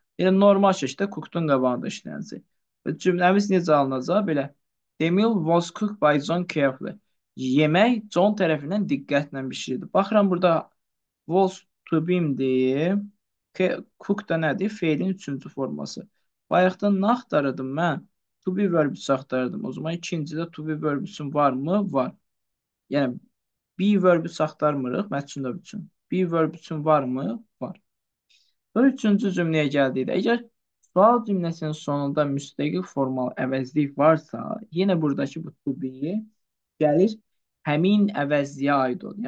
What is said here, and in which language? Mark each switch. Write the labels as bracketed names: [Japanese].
[Azerbaijani] Yəni normal şəkildə cooked-ın qabağında işlənəcək. Və cümləmiz necə alınacaq? Belə. [English] The meal was cooked by John carefully. [Azerbaijani] Yemək John tərəfindən diqqətlə bişirildi. Baxıram burada was to be-dir. Cook da nədir? Fe'lin üçüncü forması. Bayaqdan nə axtarırdım mən? To be verb-üsü axtarırdım. O zaman ikinci de to be verb-üsün var mı? Var. Yəni be verb-üsü axtarmırıq məcnun üçün. Be verb-üsün var mı? Var. Sonra üçüncü cümləyə gəldik. Əgər sual cümləsinin sonunda müstəqil formal əvəzlik varsa, yenə buradakı bu to be gəlir həmin əvəzliyə aid olur.